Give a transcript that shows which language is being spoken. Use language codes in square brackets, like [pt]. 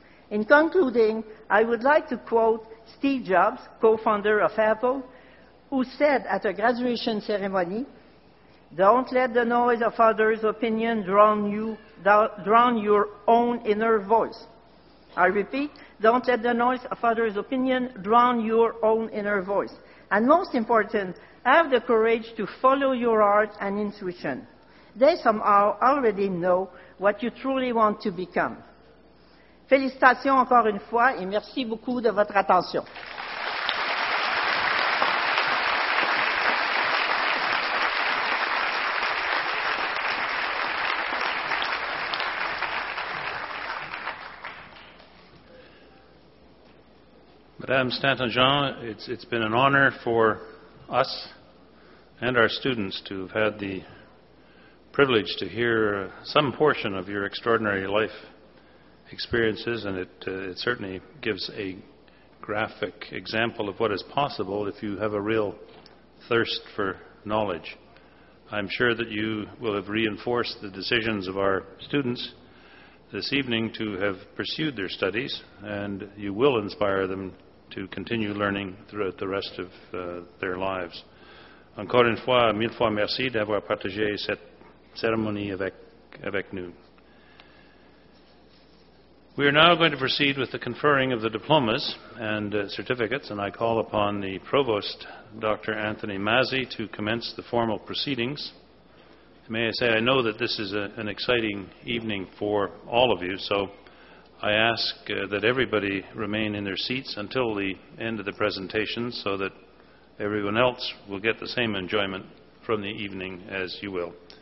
[en] In concluding, I would like to quote Steve Jobs, co-founder of Apple, who said at a graduation ceremony, "Don't let the noise of others' opinion drown your own inner voice." I repeat, don't let the noise of others' opinion drown your own inner voice. And most important, have the courage to follow your heart and intuition. They somehow already know what you truly want to become. [fr] Félicitations encore une fois et merci beaucoup de votre attention. [en] Madame Stanton-Jean, it's been an honor for us and our students to have had the privilege to hear some portion of your extraordinary life experiences, and it certainly gives a graphic example of what is possible if you have a real thirst for knowledge. I'm sure that you will have reinforced the decisions of our students this evening to have pursued their studies, and you will inspire them to continue learning throughout the rest of their lives. [fr] Encore une fois, mille fois merci d'avoir partagé cette cérémonie avec nous. [en] We are now going to proceed with the conferring of the diplomas and certificates, and I call upon the Provost, Dr. Anthony Mazzi, to commence the formal proceedings. May I say, I know that this is an exciting evening for all of you, so I ask that everybody remain in their seats until the end of the presentation so that everyone else will get the same enjoyment from the evening as you will.